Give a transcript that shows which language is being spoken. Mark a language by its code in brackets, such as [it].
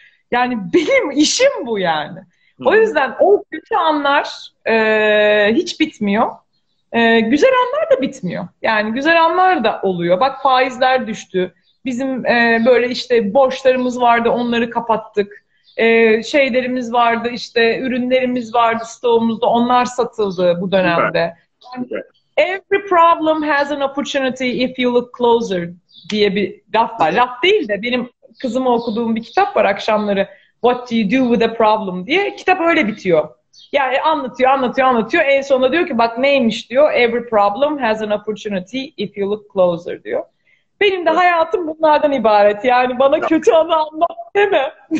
[tr] Yani benim işim bu yani. O yüzden o kötü anlar hiç bitmiyor. Güzel anlar da bitmiyor. Yani güzel anlar da oluyor. Bak faizler düştü. Bizim böyle işte borçlarımız vardı onları kapattık. Şeylerimiz vardı işte ürünlerimiz vardı stoğumuzda onlar satıldı bu Süper. dönemde. Yani, Süper. [en] every problem has an opportunity if you look closer [tr] diye bir laf var. Laf değil de benim kızıma okuduğum bir kitap var akşamları. [en] What do you do with a problem [tr] diye. Kitap öyle bitiyor. Yani anlatıyor, anlatıyor, anlatıyor. En sonunda diyor ki bak neymiş diyor. [en] Every problem has an opportunity if you look closer [tr] diyor. Benim de hayatım bunlardan ibaret. Yani bana kötü anı anlat deme.